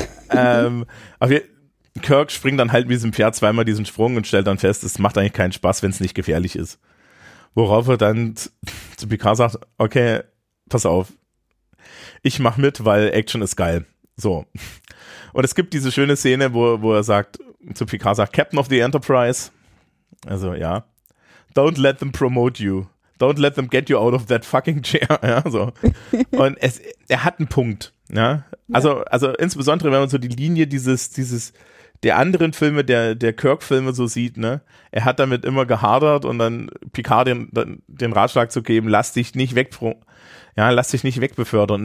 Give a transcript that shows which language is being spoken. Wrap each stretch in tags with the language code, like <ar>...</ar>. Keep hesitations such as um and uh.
<de>ähm, Kirk springt dann halt mit diesem Pferd zweimal diesen Sprung und stellt dann fest, es macht eigentlich keinen Spaß, wenn es nicht gefährlich ist. Worauf er dann zu Picard sagt, okay, pass auf. Ich mach mit, weil Action ist geil. So. Und es gibt diese schöne Szene, wo, wo er sagt, zu Picard sagt,</de> <en>Captain of the Enterprise.</en> <de>Also, ja.</de> <en>Don't let them promote you. Don't let them get you out of that fucking chair.</en> <de>Ja, so. Und es, er hat einen Punkt. Ja. ja. Also, also insbesondere, wenn man so die Linie dieses, dieses, der anderen Filme, der, der Kirk-Filme so sieht, ne? Er hat damit immer gehadert und dann Picard den, den, Ratschlag zu geben, lass dich nicht weg, ja, lass dich nicht wegbefördern.</de>